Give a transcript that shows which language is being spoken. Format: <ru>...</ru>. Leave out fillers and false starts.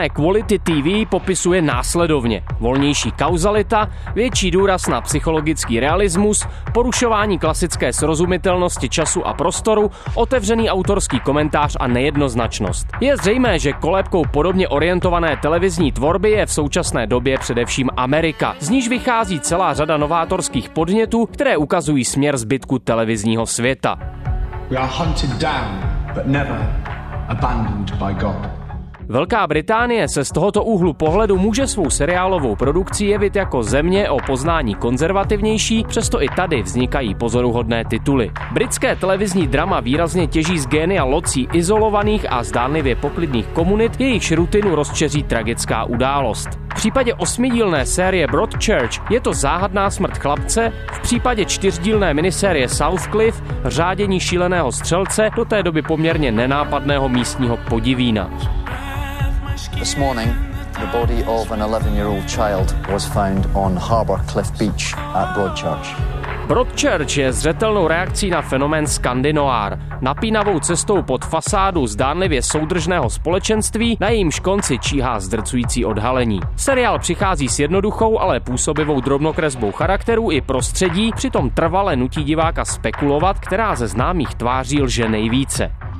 <cs>Quality TV popisuje následovně. Volnější kauzalita, větší důraz na psychologický realismus, porušování klasické srozumitelnosti času a prostoru, otevřený autorský komentář a nejednoznačnost. Je zřejmé, že kolébkou podobně orientované televizní tvorby je v současné době především Amerika, z níž vychází celá řada novátorských podnětů, které ukazují směr zbytku televizního světa.</cs> <en>We are hunted down, but never abandoned by God.</en> <cs>Velká Británie se z tohoto úhlu pohledu může svou seriálovou produkcí jevit jako země o poznání konzervativnější, přesto i tady vznikají pozoruhodné tituly. Britské televizní drama výrazně těží z génia locí izolovaných a zdánlivě poklidných komunit, jejichž rutinu rozčeří tragická událost. V případě osmidílné série Broadchurch je to záhadná smrt chlapce, v případě čtyřdílné minisérie Southcliff řádění šíleného střelce do té doby poměrně nenápadného místního podivína.</cs> <en>This morning, the body of an 11-year-old child was found on Harbour Cliff Beach at Broadchurch.</en> <cs>Broadchurch je zřetelnou reakcí na fenomén skandinoár. Napínavou cestou pod fasádu zdánlivě soudržného společenství, na jejímž konci číhá zdrcující odhalení. Seriál přichází s jednoduchou, ale působivou drobnokresbou charakteru i prostředí, přitom trvale nutí diváka spekulovat, která ze známých tváří lže nejvíce.</cs>